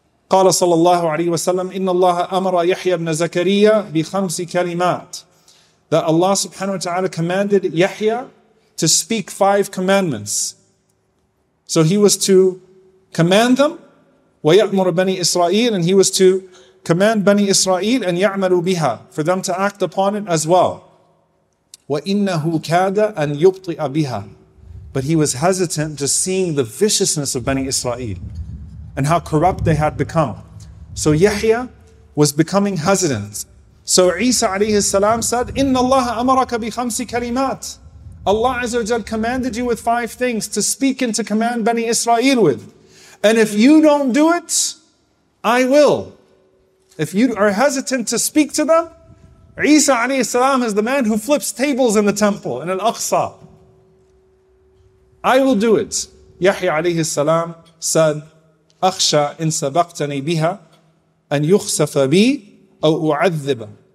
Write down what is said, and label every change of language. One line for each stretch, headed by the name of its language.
Arabic: قال صلى الله عليه وسلم إن الله أمر يحيى بن زكريا بخمس كلمات.
English: That Allah subhanahu wa ta'ala commanded Yahya to speak five commandments. So he was to command them,
Arabic: ويأمر بني إسرائيل,
English: and he was to command
Arabic: بني إسرائيل أن يعملوا بها,
English: for them to act upon it as well.
Arabic: وَإِنَّهُ كَادَ أَنْ يُبْطِئَ بِهَا.
English: But he was hesitant to seeing the viciousness of Bani Israel and how corrupt they had become. So Yahya was becoming hesitant. So Isa alayhi salam said,
Arabic: إِنَّ اللَّهَ أَمَرَكَ بِخَمْسِ كَلِمَاتِ.
English: Allah Azza wa Jal commanded you with five things to speak and to command Bani Israel with. And if you don't do it, I will. If you are hesitant to speak to them, Isa alayhi salam is the man who flips tables in the temple, in Al-Aqsa. I will do it. Yahya alayhi salam said,
Arabic: أخشى إن سبقتني بها أن يخسف بي أو أعذب.